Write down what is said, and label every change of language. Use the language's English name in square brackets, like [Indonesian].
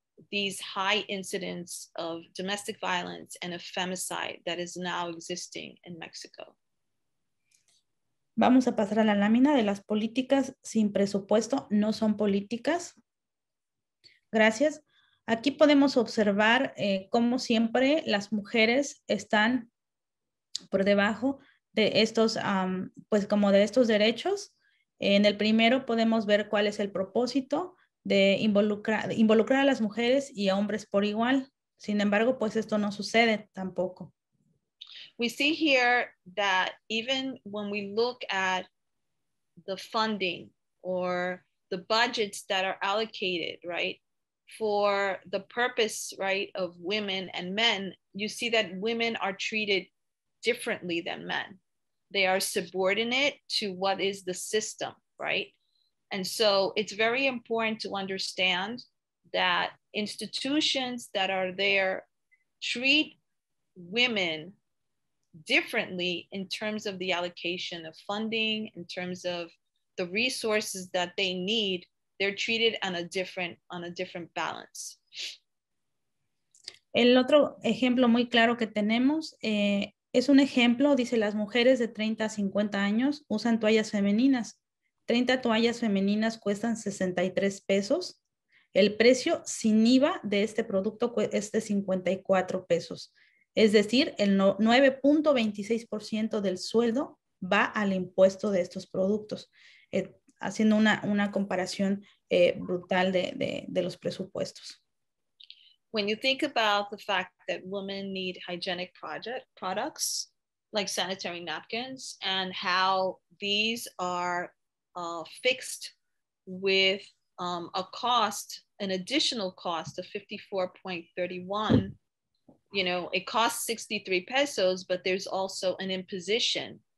[English] these high incidents of domestic violence and of femicide that is now existing in Mexico. [Spanish] Vamos a pasar a la lámina de las políticas sin presupuesto, no son políticas. Gracias. Aquí podemos observar cómo siempre las mujeres están por debajo de estos, pues como de estos derechos. En el primero podemos ver cuál es el propósito de involucrar a las mujeres y a hombres por igual. Sin embargo, pues esto no sucede tampoco. [English] We see here that even when we look at the funding or the budgets that are allocated, right, for the purpose, right, of women and men, you see that women are treated differently than men. They are subordinate to what is the system, right? And so it's very important to understand that institutions that are there treat women differently in terms of the allocation of funding, in terms of the resources that they need, they're treated on a different balance. [Spanish] El otro ejemplo muy claro que tenemos es un ejemplo, dice, las mujeres de 30 a 50 años usan toallas femeninas. 30 toallas femeninas cuestan 63 pesos. El precio sin IVA de este producto es de 54 pesos. Es decir, el 9.26% del sueldo va al impuesto de estos productos, haciendo una comparación brutal de los presupuestos. [English] When you think about the fact that women need hygienic products like sanitary napkins and how these are fixed with a cost, an additional cost of 54.31, you know, it costs 63 pesos, but there's also an imposition.